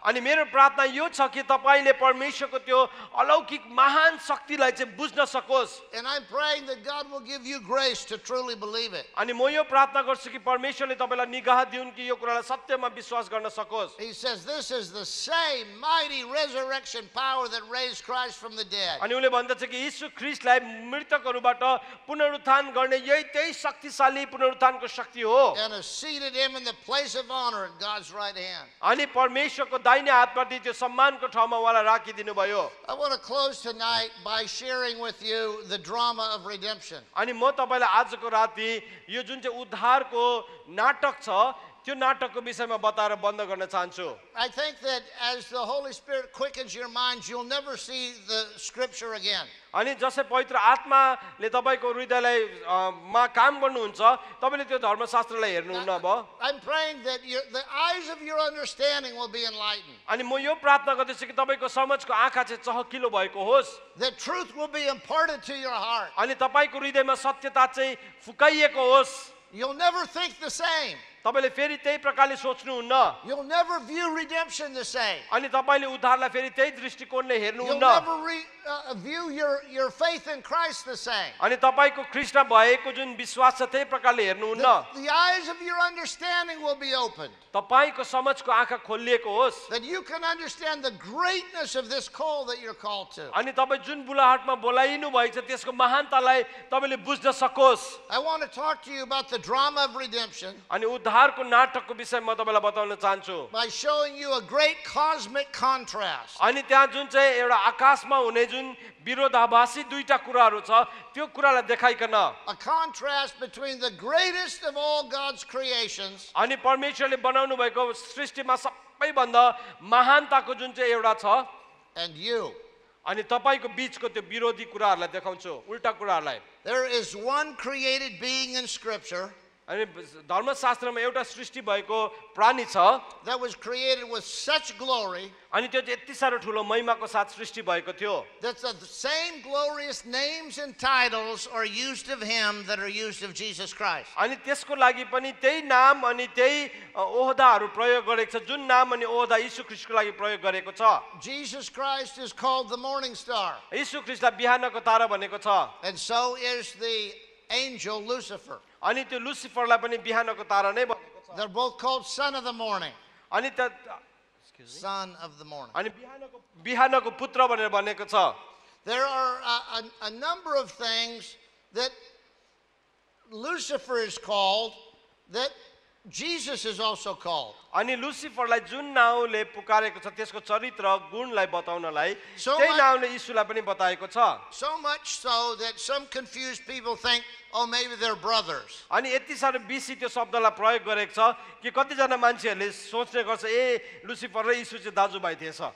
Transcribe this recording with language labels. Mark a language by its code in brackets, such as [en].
[ne] अनि मेरो प्रार्थना यो छ कि तपाईले परमेश्वरको त्यो अलौकिक महान शक्तिलाई चाहिँ बुझ्न सकोस्. [en] And I'm praying that God will give you grace to truly believe it. [ne] अनि म यो प्रार्थना गर्छु कि परमेश्वरले तपाईलाई निगाह दिउन् कि यो कुरालाई सत्यमा विश्वास गर्न सकोस्. [en] He says this is the same mighty resurrection power that raised Christ from the dead. [ne] अनि उले भन्दछ कि येशू ख्रीष्टलाई मृतकहरूबाट पुनरुत्थान गर्ने यही त्यही शक्तिशाली पुनरुत्थानको शक्ति हो. [en] And has seated him in the place of honor at God's right hand. [ne] अनि परमेश्वरको दाहिने हातपट्टि त्यो सम्मानको ठाउँमा उहाँलाई राखिदिनु भयो. [en] I want to close tonight by sharing with you the drama of redemption. [ne] अनि म तपाईलाई आजको राति यो जुन चाहिँ उद्धारको नाटक छ त्यो नाटकको विषयमा बताएर बन्द गर्न चाहन्छु. [en] I think that as the Holy Spirit quickens your mind, you'll never see the scripture again. [ne] अनि जसै पवित्र आत्माले तपाईको हृदयलाई मा काम गर्नुहुन्छ तपाईले त्यो धर्मशास्त्रलाई हेर्नुहुन्न अब. [en] I'm praying that the eyes of your understanding will be enlightened. [ne] अनि म यो प्रार्थना गर्दछु कि तपाईको समझको आँखा चाहिँ चहकिलो भएको होस्. [en] The truth will be imparted to your heart. [ne] अनि तपाईको हृदयमा सत्यता चाहिँ फुकाइएको होस्. [en] You'll never think the same. [ne] तपाईले फेरि त्यही प्रकारले सोच्नुहुन्न. [en] You'll never view redemption the same. [ne] अनि तपाईले उद्धारलाई फेरि त्यही दृष्टिकोणले हेर्नुहुन्न. [en] You'll never view your faith in Christ the same. [ne] अनि तपाईको ख्रीष्टमा भएको जुन विश्वास छ त्यही प्रकारले हेर्नुहुन्न. [en] The eyes of your understanding will be opened. [ne] तपाईको समझको आँखा खोलिएको होस्. [en] That you can understand the greatness of this call that you're called to. [ne] अनि तपाई जुन बुलाहटमा बोलाइनु भएको छ त्यसको महानतालाई तपाईले बुझ्न सकोस्. [en] I want to talk to you about the drama of redemption. [ne] अनि उद्धारको नाटकको विषय म तपाईलाई बताउन चाहन्छु. [en] By showing you a great cosmic contrast. [ne] अनि त्यहाँ जुन चाहिँ एउटा आकाशमा हुने जुन विरोधाभासी दुईटा कुराहरू छ त्यो कुरालाई देखाइकन. [en] A contrast between the greatest of all God's creations. [ne] अनि परमेश्वरले बनाउनु भएको सृष्टिमा सबैभन्दा महानताको जुन चाहिँ एउटा छ. [en] And you. [ne] अनि तपाईको बीचको त्यो विरोधी कुराहरूलाई देखाउँछु उल्टा कुराहरूलाई. [en] There is one created being in scripture. [ne] अनि धर्मशास्त्रमा एउटा सृष्टि भएको प्राणी छ. [en] That was created with such glory. [ne] अनि त्यो यति साह्रो ठूलो महिमाको साथ सृष्टि भएको थियो. [en] That the same glorious names and titles are used of him that are used of Jesus Christ. [ne] अनि त्यसको लागि पनि त्यही नाम अनि त्यही ओहदाहरू प्रयोग गरेको छ जुन नाम अनि ओहदा यीशु ख्रीष्टको लागि प्रयोग गरेको छ. [en] Jesus Christ is called the morning star. [ne] यीशु ख्रीष्टलाई बिहानको तारा भनेको छ. [en] And so is the angel Lucifer. [ne] अनि त्यो लुसिफरलाई पनि बिहानको तारा नै भनेको छ. [en] They're both called son of the morning. [ne] अनि त [en] son of the morning. [ne] अनि बिहानको पुत्र भनेर भनेको छ. [en] There are a number of things that Lucifer is called that Jesus is also called. [ne] अनि लुसिफरलाई जुन नाउँले पुकारेको छ त्यसको चरित्र गुणलाई बताउनलाई त्यही नाउँले यीशुलाई पनि बताएको छ. [en] So much so that some confused people think, oh, maybe they're brothers. [ne] अनि यति साह्रो बेसी त्यो शब्दलाई प्रयोग गरेको छ कि कतिजना मान्छेहरूले सोच्ने गर्छ ए लुसिफर र यीशु चाहिँ दाजुभाइ थिएछ.